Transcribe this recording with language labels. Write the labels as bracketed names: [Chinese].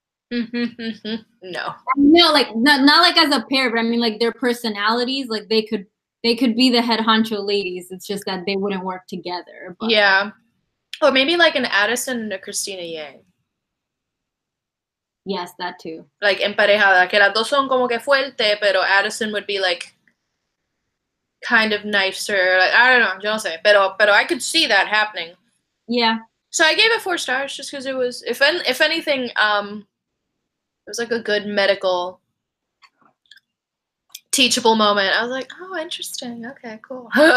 [English] No, not like as a pair, but I mean, like, their personalities, like, they could be the head honcho ladies. It's just that they wouldn't work together. But. Yeah, or maybe like an Addison and a Christina Yang. Yes, that too. [Spanish] Like emparejada, que las dos son como que fuerte, pero Addison [English] would be like kind of nicer. Like, I don't know, [Spanish] yo no sé, pero [English] I could see that happening. Yeah. So I gave it 4 stars just because it was if anything it was, like, a good medical teachable moment. I was like, oh, interesting. Okay, cool.